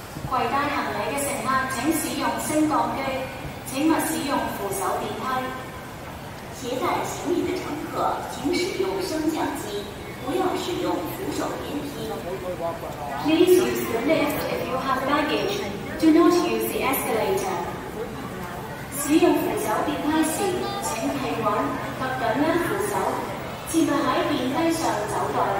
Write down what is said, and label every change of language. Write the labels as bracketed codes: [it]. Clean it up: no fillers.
[zh] 携带行李的乘客请使用升降机，请勿使用扶手电梯。携带行李的乘客请使用升降机，不要使用扶手电梯。 [en] Please use the lift if you have luggage. Do not use the escalator. [zh] 使用扶手电梯时，请企稳及紧握扶手，切勿在电梯上走动。